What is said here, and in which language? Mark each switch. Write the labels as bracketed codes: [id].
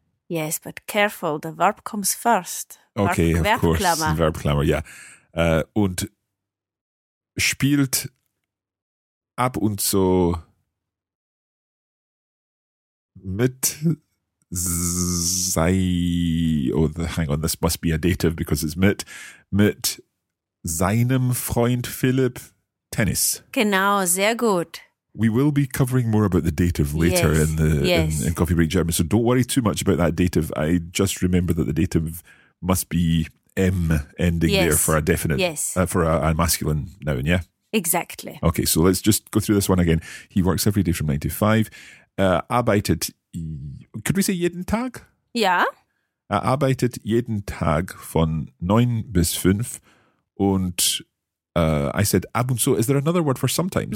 [en] Yes, but careful, the verb comes first. Okay, of course. Verbklammer, yeah. [de] Und spielt ab und so mit sei. [en] Hang on, this must be a dative because it's mit seinem Freund Philipp Tennis. [de] Genau, sehr gut. [en] We will be covering more about the dative later in Coffee Break German. So don't worry too much about that dative. I just remember that the dative must be M ending there for a definite. Yes. For a masculine noun, yeah? Exactly. Okay, so let's just go through this one again. He works every day from 9 to 5. Arbeitet, could we say jeden Tag? Yeah. Er arbeitet jeden Tag von 9 bis 5 und I said ab und so. Is there another word for sometimes?